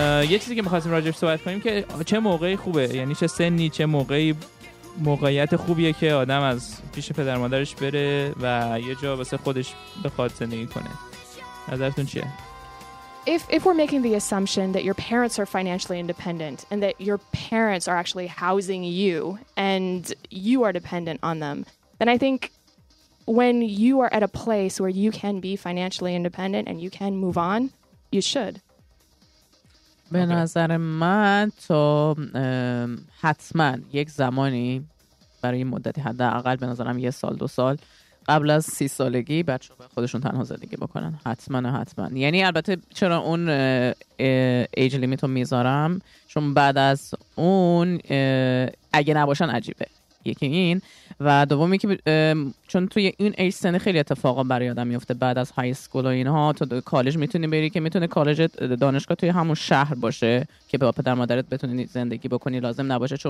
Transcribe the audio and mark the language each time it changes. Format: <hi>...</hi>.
<fa>یه چیزی که می‌خواستیم راجعش صحبت کنیم که چه موقعی خوبه، یعنی چه سنی چه موقعی موقعیت خوبیه که آدم از پیش پدر مادرش بره و یه جا واسه خودش بخواد زندگی کنه. نظرتون چیه؟</fa> <en>If we're making the assumption that your parents are financially independent and that your parents are actually housing you and you are dependent on them, then I think when you are at a place where you can be financially independent and you can move on, you should.</en> <fa>به نظر من تو حتما یک زمانی برای مدتی حداقل به نظرم یه سال دو سال قبل از 30 سالگی بچه ها خودشون تنها زندگی بکنن، حتما حتما. یعنی البته چرا اون ایج لیمیت رو میذارم، چون بعد از اون اگه نباشن عجیبه، یکی این، و دومی که چون توی این ایج سن خیلی اتفاقا برای آدم میفته بعد از های اسکول و اینها، تو کالج میتونی بری که میتونه کالج دانشگاه توی همون شهر باشه که با پدر مادرت بتونی زندگی بکنی، لازم نباشه.</fa>